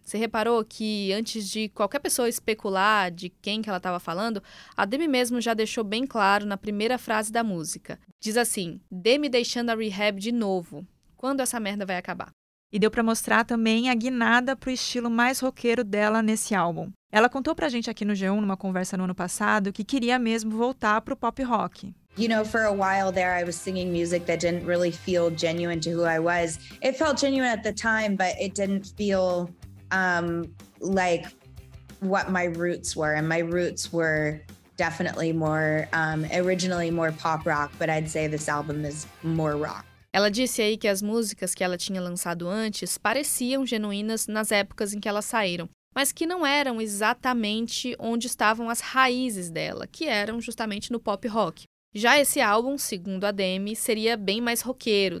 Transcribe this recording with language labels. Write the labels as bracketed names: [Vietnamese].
[Portuguese] Você reparou que antes de qualquer pessoa especular de quem que ela estava falando, a Demi mesmo já deixou bem claro na primeira frase da música. Diz assim, Demi deixando a rehab de novo. Quando essa merda vai acabar? E deu pra mostrar também a guinada pro estilo mais roqueiro dela nesse álbum. Ela contou pra gente aqui no G1, numa conversa no ano passado, que queria mesmo voltar pro pop rock. [English] You know, for a while there, I was singing music that didn't really feel genuine to who I was. It felt genuine at the time, but it didn't feel like what my roots were. And my roots were definitely more, originally more pop rock, but I'd say this album is more rock. [Portuguese] Ela disse aí que as músicas que ela tinha lançado antes pareciam genuínas nas épocas em que elas saíram, mas que não eram exatamente onde estavam as raízes dela, que eram justamente no pop rock. Já esse álbum, segundo a Demi, seria bem mais roqueiro.